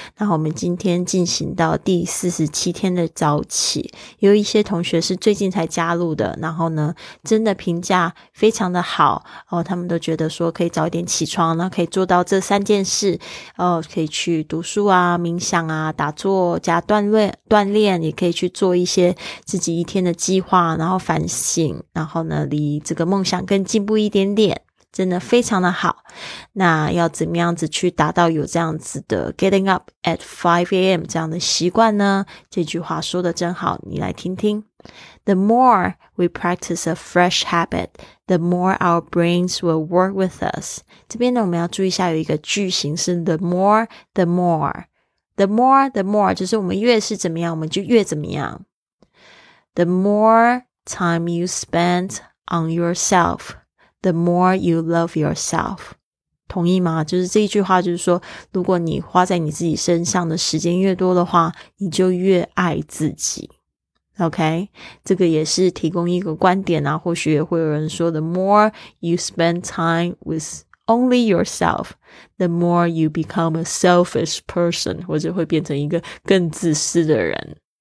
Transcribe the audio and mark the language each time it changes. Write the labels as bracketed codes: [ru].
[zh] 那我们今天进行到第47天的早起，有一些同学是最近才加入的，然后呢真的评价非常的好，他们都觉得说可以早一点起床，然后可以做到这三件事，可以去读书啊、冥想啊、打坐加锻炼，也可以去做一些自己一天的计划，然后反省，然后呢离这个梦想更进步一点点，真的非常的好。那要怎么样子去达到有这样子的 [en] getting up at 5 a.m. [zh] 这样的习惯呢？这句话说的真好，你来听听。 [en] The more we practice a fresh habit, the more our brains will work with us. [zh] 这边呢，我们要注意一下，有一个句型是 [en] the more, the more. The more, the more, [zh] 就是我们越是怎么样，我们就越怎么样。 [en] The more time you spend on yourself,The more you love yourself. [zh] 同意吗？就是这一句话就是说，如果你花在你自己身上的时间越多的话，你就越爱自己。OK? 这个也是提供一个观点啊，或许也会有人说 [en] The more you spend time with only yourself, the more you become a selfish person, [zh] 或者会变成一个更自私的人。